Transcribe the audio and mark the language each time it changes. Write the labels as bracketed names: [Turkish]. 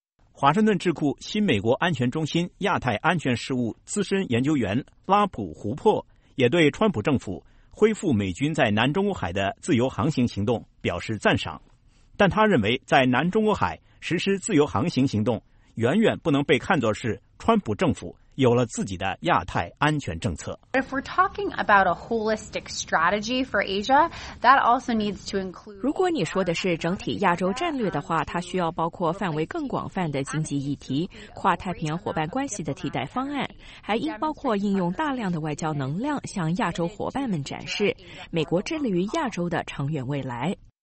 [Chinese] 华盛顿智库新美国安全中心亚太安全事务资深研究员拉普·胡珀也对川普政府恢复美军在南中国海的自由航行行动表示赞赏，但他认为在南中国海实施自由航行行动远远不能被看作是川普政府有了自己的亚太安全政策。 [English] If we're talking about a holistic strategy for Asia, that also needs to include. [Chinese] 如果你说的是整体亚洲战略的话，它需要包括范围更广泛的经济议题、跨太平洋伙伴关系的替代方案，还应包括应用大量的外交能量向亚洲伙伴们展示美国致力于亚洲的长远未来。